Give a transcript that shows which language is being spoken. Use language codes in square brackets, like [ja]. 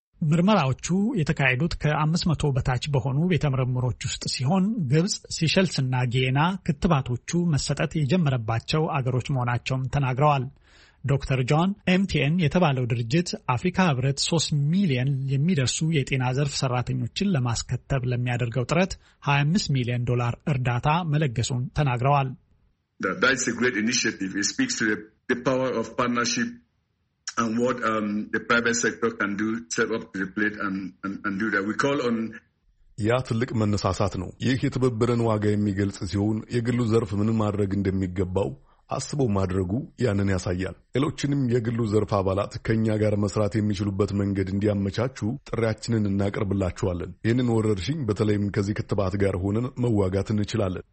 [am] ምርመራዎቹ የተካሄዱት ከ500 በታች በሆኑ ቤተምርምሮች ውስጥ ሲሆን ግብጽ፣ ሲሸልስ እና ጊና ክትባቶቹ መሰጠት የጀመረባቸው አገሮች መሆናቸውም ተናግረዋል። ዶክተር ጆን ኤምቲኤን የተባለው ድርጅት አፍሪካ ህብረት 3 ሚሊዮን የሚደርሱ የጤና ዘርፍ ሰራተኞችን ለማስከተብ ለሚያደርገው ጥረት 25 ሚሊዮን ዶላር እርዳታ መለገሱን ተናግረዋል። [en] That's a great initiative. It speaks to the power of partnership and what the private sector can do, step up to the plate and do that. We call on [am] ያ ትልቅ መነሳሳት ነው። ይህ የተበበረን ዋጋ የሚገልጽ ሲሆን የግሉ ዘርፍ ምን ማድረግ እንደሚገባው አስቦ ማድረጉ ያንን ያሳያል። ሌሎችንም የግሉ ዘርፍ አባላት ከኛ ጋር መስራት የሚችሉበት መንገድ እንዲያመቻቹ ጥሪያችንን እናቀርብላችኋለን። ይህንን ወረርሽኝ በተለይም ከዚህ ክትባት ጋር ሆነን መዋጋት እንችላለን።